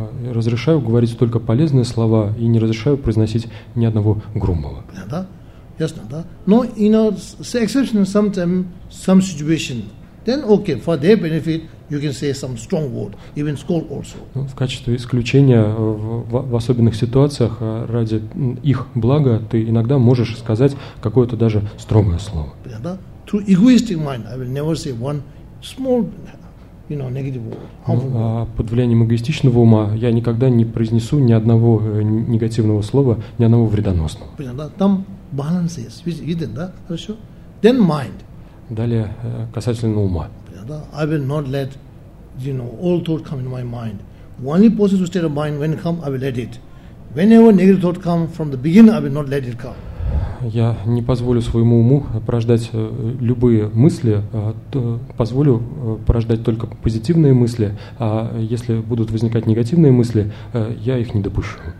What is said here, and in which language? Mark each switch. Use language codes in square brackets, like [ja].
[ru] Разрешаю говорить только полезные слова и не разрешаю произносить ни одного грубого. Да? Ясно, да? [en] Но, you know, с exception sometimes, some situation, then okay, for their benefit, you can say some strong word, even scold also. [ru] Ну, в качестве исключения в особенных ситуациях ради их блага ты иногда можешь сказать какое-то даже строгое слово. [en] Да? Through egoistic mind, I will never say one small negative word. [ru] Под влиянием эгоистичного ума я никогда не произнесу ни одного негативного слова, ни одного вредоносного. Понятно, да? Там баланс есть. Виден, да? Хорошо? [en] Then mind. [ru] Далее, касательно ума. Понятно, да? [en] I will not let, all thoughts come in my mind. Only positive state of mind, when come, I will let it. Whenever negative thoughts come from the beginning, I will not let it come. [ru] я не позволю своему уму порождать любые мысли, то позволю порождать только позитивные мысли, а если будут возникать негативные мысли, я их не допущу.